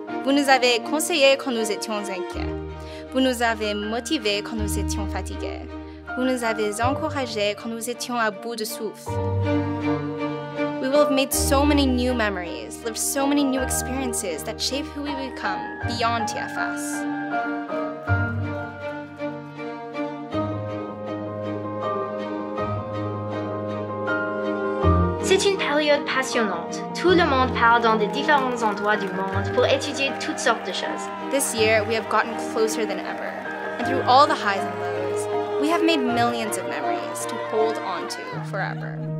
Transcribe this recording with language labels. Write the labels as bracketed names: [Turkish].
[French] Vous nous avez conseillé quand nous étions inquiets. Vous nous avez motivé quand nous étions fatigués. Vous nous avez encouragé quand nous étions à bout de souffle. [English] We will have made so many new memories, lived so many new experiences that shape who we become beyond TFS. [French] C'est une période passionnante. Tout le monde part dans de différents endroits du monde pour étudier toutes sortes de choses. [English] This year, we have gotten closer than ever. And through all the highs and lows, we have made millions of memories to hold on to forever.